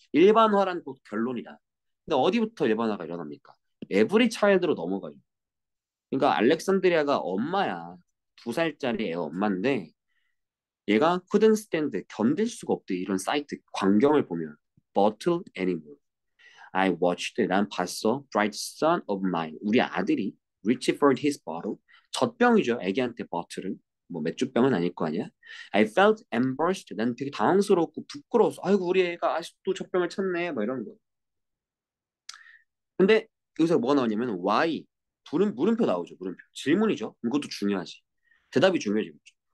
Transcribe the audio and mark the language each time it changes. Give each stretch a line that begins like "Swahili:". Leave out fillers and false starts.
Korean: 일반화란 곧 결론이다. 근데 어디부터 일반화가 일어납니까? 에브리 차일드로 넘어가요. 그러니까 알렉산드리아가 엄마야. 2살짜리 애 엄마인데 얘가
English: couldn't stand,
Korean: 견딜 수가 없대. 이런 사이트 광경을 보면
English: bottle anymore. I watched,
Korean: 난 봤어.
English: Bright son of mine,
Korean: 우리 아들이
English: reached for his bottle,
Korean: 젖병이죠. 애기한테 bottle은 뭐 맥주병은 아닐 거 아니야?
English: I felt embarrassed.
Korean: 난 되게 당황스럽고 부끄러웠어. 아이고, 우리 애가 아직도 젖병을 찾네. 뭐 이런 거. 근데 여기서 뭐가 나오냐면 why, 물음표 나오죠. 물음표. 질문이죠. 이것도 중요하지. 대답이 중요해지겠죠.